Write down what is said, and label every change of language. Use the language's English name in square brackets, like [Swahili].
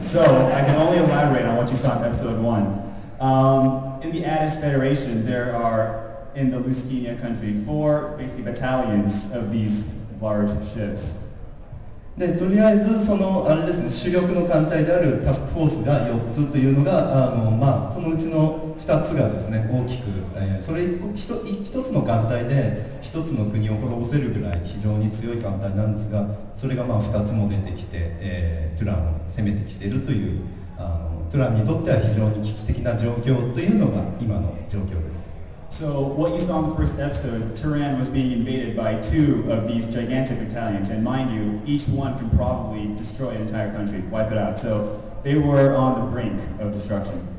[English] So, I can only elaborate on what you saw in episode 1. In the Addis Federation, there are in the Luskinia country, four basically battalions of these large ships. [Japanese] で、とりあえずそのあれですね、主力の艦隊であるタスクフォースが4つというのが、まあ、そのうちの2つがですね、大きく、それ1つの艦隊で1つの国を滅ぼせるぐらい非常に強い艦隊なんですが、それがまあ2つも出てきて、トゥランを攻めてきてるという、トゥランにとっては非常に危機的な状況というのが今の状況です。 [English] So what you saw in the first episode, Turan was being invaded by two of these gigantic battalions, and mind you, each one can probably destroy an entire country, wipe it out. So they were on the brink of destruction.